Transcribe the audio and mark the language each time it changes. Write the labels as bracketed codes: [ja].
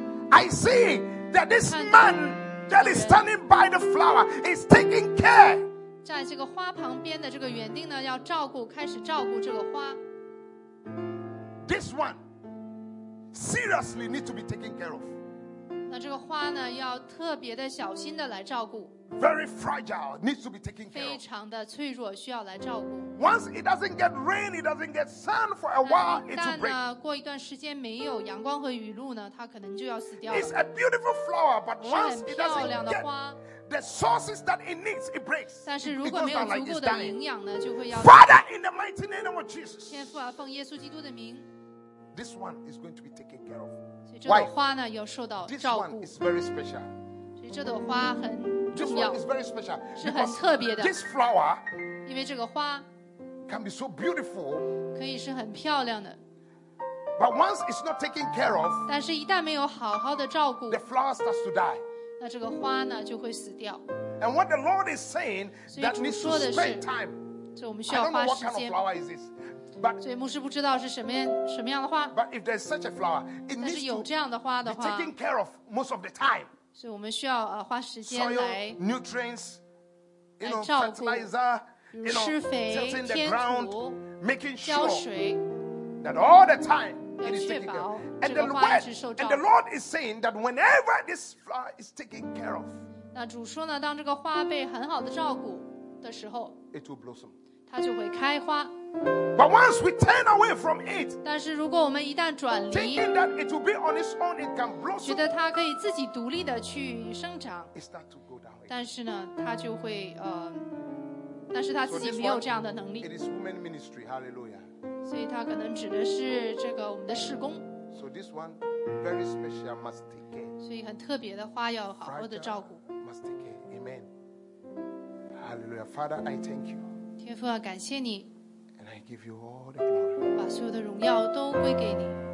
[en] I see that this man that is standing by the flower is taking care. [zh] 在这个花旁边的这个园丁呢，要照顾，开始照顾这个花。 [en] This one seriously needs to be taken care of. [zh] 那这个花呢，要特别的小心的来照顾。 [en] Very fragile, needs to be taken care of. [zh] 非常的脆弱，需要来照顾。 [en] Once it doesn't get rain, it doesn't get sun for a while, it will break. [zh] 过一段时间没有阳光和雨露呢，它可能就要死掉了。 [en] It's a beautiful flower, but once it doesn't get the sources that it needs, it breaks. [zh] 但是如果没有足够的营养呢，就会要。 [en] Father, in the mighty name of Jesus. [zh] 天父啊，奉耶稣基督的名。 [en] This one is going to be taken care of. [zh] 所以这朵花呢，要受到照顾。 [en] This one is very special. [zh] 所以这朵花很。 [en] This one is very special. [zh] 是很特别的。 [en] This flower, [zh] 因为这个花 [en] can be so beautiful, [zh] 可以是很漂亮的。 [en] But once it's not taken care of, [zh] 但是一旦没有好好的照顾 [en] the flower starts to die. [zh] 那这个花呢就会死掉。 [en] And what the Lord is saying, that needs to spend time. [zh] 所以我们需要花时间。 [en] I don't know what kind of flower is this. But, [zh] 所以牧师不知道是什么样的花。 [en] But if there's such a flower, it needs [zh] 但是有这样的花的话 [en] be taken care of most of the time. [zh] 所以我们需要花时间来 [en] soil, nutrients, you know, [zh] 来照顾 [en] fertilizer, you know, [zh] 施肥天土 ground, 浇水 [en] that all the time it is taken care of. [zh] 这个花一直受照顾 [en] and the Lord is saying that whenever this flower is taken care of [zh] 那主说呢当这个花被很好的照顾的时候 [en] it will blossom. [zh] 它就会开花。 [en] But once we turn away from it, [zh] 但是如果我们一旦转离 [en] thinking that it will be on its own, it can blossom, [zh] 觉得它可以自己独立的去生长 [en] it starts to go down. [zh] 但是呢它就会但是它自己没有这样的能力 [en] so this one, it is woman ministry, hallelujah. [zh] 所以它可能指的是这个我们的事工 [en] so this one, very special, must take care. [zh] 所以很特别的花要好好的照顾 [en] must take care. Hallelujah. Father, I thank you. [zh] 天父啊, 感谢你, [en] and I give you all the glory. [zh] 把所有的荣耀都归给你。